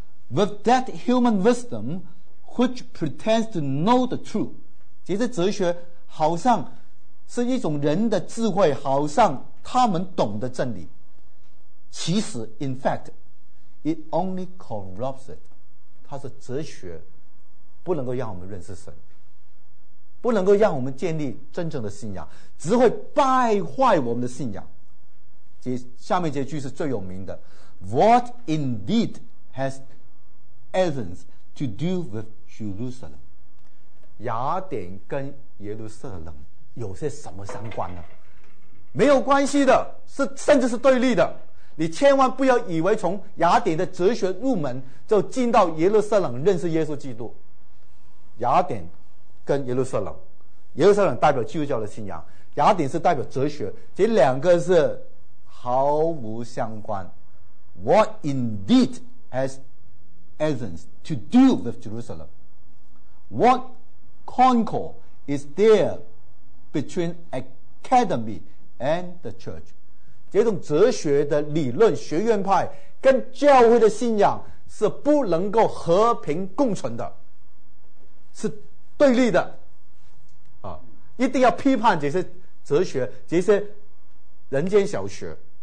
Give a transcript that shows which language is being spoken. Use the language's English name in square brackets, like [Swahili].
[English] with that human wisdom which pretends to know the truth. [Chinese] 其实哲学好像是一种人的智慧，好像他们懂得真理。其实 [English] in fact it only corrupts it. [Chinese] 它是哲学不能够让我们认识神，不能够让我们建立真正的信仰，只会败坏我们的信仰。下面这句是最有名的， [English] What indeed has Athens to do with Jerusalem? [Chinese] 雅典跟耶路撒冷有些什么相关呢？没有关系的，是甚至是对立的。你千万不要以为从雅典的哲学入门就进到耶路撒冷认识耶稣基督。雅典跟耶路撒冷，耶路撒冷代表基督教的信仰，雅典是代表哲学，这两个是毫无相关。 [English] What indeed has Athens to do with Jerusalem? What concord is there between academy and the church? [Chinese] 这种哲学的理论学院派跟教会的信仰是不能够和平共存的，是对立的啊！一定要批判这些哲学，这些人间小学。